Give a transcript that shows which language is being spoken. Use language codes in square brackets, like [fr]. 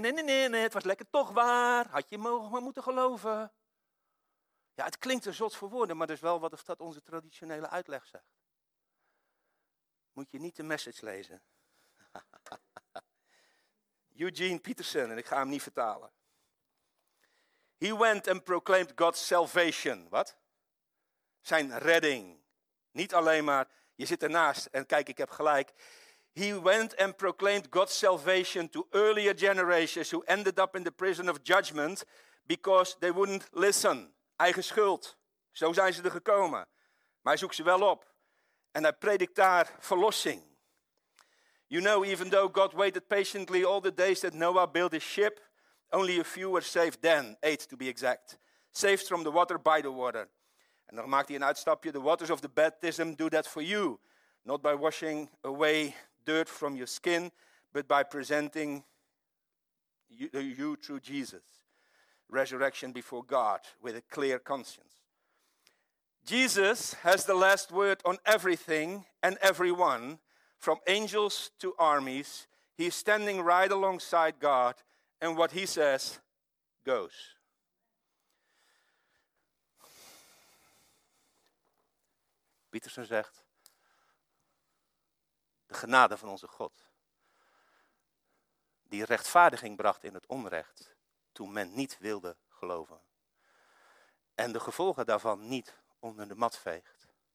[nl] Nee, het was lekker toch waar. Had je maar moeten geloven. Ja, het klinkt een zot voor woorden, maar dat is wel wat of dat onze traditionele uitleg zegt. Moet je niet de message lezen. Eugene Peterson, en ik ga hem niet vertalen. [en] He went and proclaimed God's salvation. [nl] Wat? Zijn redding. Niet alleen maar, je zit ernaast en kijk, ik heb gelijk. [en] He went and proclaimed God's salvation to earlier generations who ended up in the prison of judgment because they wouldn't listen. [nl] Eigen schuld. Zo zijn ze er gekomen. Maar hij zoekt ze wel op. En hij predikt daar verlossing. [en] You know, even though God waited patiently all the days that Noah built his ship, only a few were saved then, 8 to be exact. Saved from the water by the water. [nl] En dan maakt hij een uitstapje. [en] The waters of the baptism do that for you. Not by washing away dirt from your skin, but by presenting you through Jesus. Resurrection before God with a clear conscience. Jesus has the last word on everything and everyone, from angels to armies. He is standing right alongside God, and what he says goes. [nl] Pietersen zegt, de genade van onze God, die rechtvaardiging bracht in het onrecht, toen men niet wilde geloven, en de gevolgen daarvan niet onder de mat veegt.